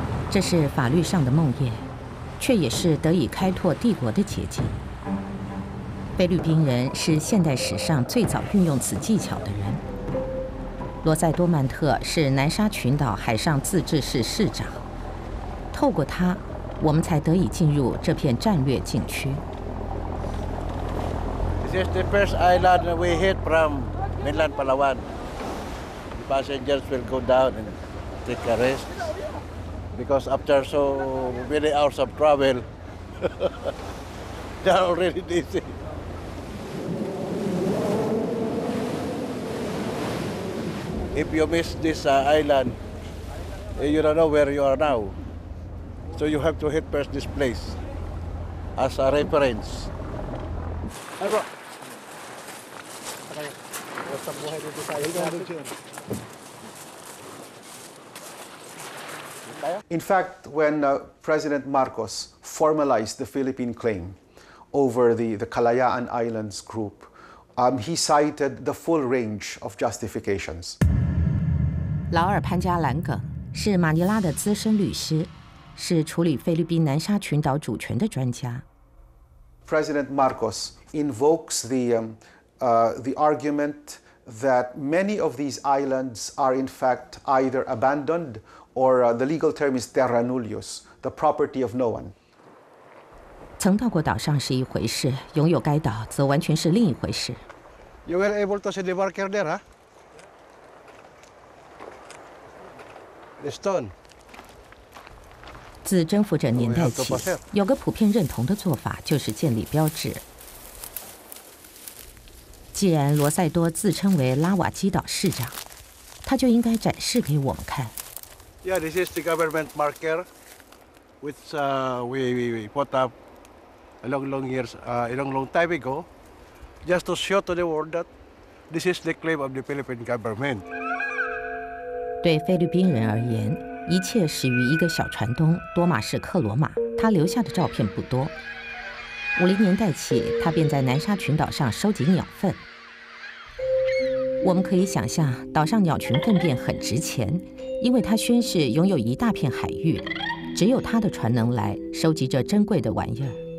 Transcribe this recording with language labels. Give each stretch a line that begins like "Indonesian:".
Chinese: 这是法律上的梦魇，却也是得以开拓帝国的捷径。菲律宾人是现代史上最早运用此技巧的人。罗塞多曼特是南沙群岛海上自治市市长，透过他，我们才得以进入这片战略禁区。
English: This is the first island we hit from mainland Palawan. The passengers will go down and take a rest because after so many hours of travel, they are already dizzy. If you miss this island, you don't know where you are now. So you have to hit first this place as a reference. In fact, when President Marcos formalized the Philippine claim over the Kalayaan Islands group, he cited the full range of justifications.
Chinese: 劳尔·潘加兰耿是马尼拉的资深律师，是处理菲律宾南沙群岛主权的专家。
English: President Marcos invokes the argument that many of these islands are in fact either abandoned or the legal term is terra nullius, the property of no one.
Chinese: 曾到过岛上是一回事，拥有该岛则完全是另一回事。
English: You were able to see the marker there, huh? The stone.
Chinese: 自征服者年代起，有个普遍认同的做法就是建立标志。既然罗塞多自称为拉瓦基岛市长，他就应该展示给我们看。
English: Yeah, this is the government marker, which we put up a long time ago, just to show to the world that this is the claim of the Philippine government.
Chinese: 对菲律宾人而言，一切始于一个小船东多马士克罗马，他留下的照片不多。 50年代起，他便在南沙群岛上收集鸟粪。我们可以想象，岛上鸟群粪便很值钱，因为它宣示拥有一大片海域，只有他的船能来收集这珍贵的玩意儿。